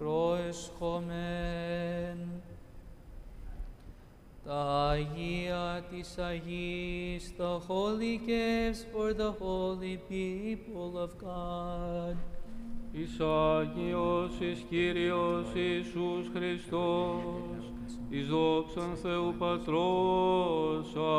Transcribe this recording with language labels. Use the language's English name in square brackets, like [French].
[Greek] Προεσχόμεν τα Αγία της Αγίας. [English] Release the holy gifts for the holy people of God. [Greek] Εις Άγιος, εις Κύριος, Ιησούς Χριστός, εις δόξαν Θεού Πατρός.